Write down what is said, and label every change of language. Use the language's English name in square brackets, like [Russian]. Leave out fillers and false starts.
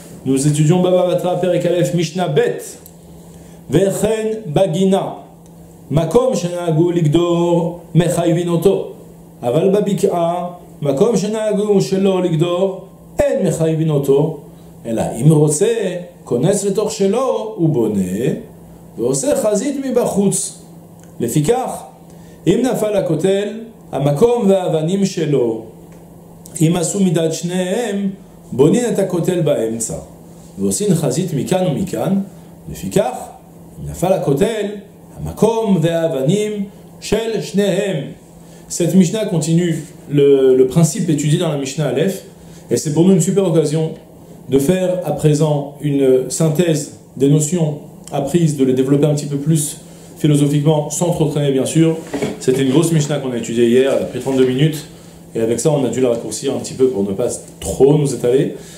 [French] Nous étudions [Hebrew] Baba Batra, Perek Aleph, Mishnah Bet, Vechen Bagina, Makom Shenagou Ligdor, Mechaivinoto, Aval Babika, Makom Shenagou Shelo Ligdor, En Mechaivinoto, Ela Imrose, כונס לתוך שלו, הוא בונה, ועושה חזית מבחוץ. לפיכך, אם נפל הכותל, המקום והאבנים שלו, אם עשו מידת שניהם, בונים את הכותל באמצע, ועושים חזית מכאן ומכאן. לפיכך, אם נפל הכותל, המקום והאבנים של שניהם. [French] Cette Mishnah continue le principe étudié dans la Mishnah Aleph, et c'est pour nous une super occasion de faire à présent une synthèse des notions apprises, de les développer un petit peu plus philosophiquement, sans trop traîner bien sûr. C'était une grosse Mishnah qu'on a étudiée hier, elle a pris 32 minutes, et avec ça on a dû la raccourcir un petit peu pour ne pas trop nous étaler.